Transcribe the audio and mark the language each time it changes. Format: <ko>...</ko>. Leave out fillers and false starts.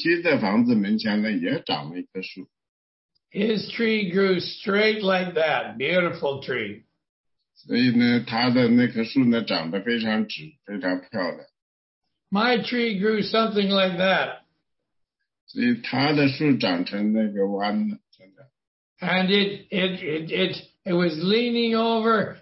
<zh>所以呢，很多年前呢，在他的房子的门口呢长了一棵树，然后在他邻居的房子门前呢也长了一棵树。</zh> <en>His tree grew straight like that, beautiful tree.</en> <zh>所以呢，他的那棵树呢长得非常直，非常漂亮。</zh> <en>My tree grew something like that.</en> <zh>所以他的树长成那个弯了，真的。</zh> <en>And it was leaning over.</en>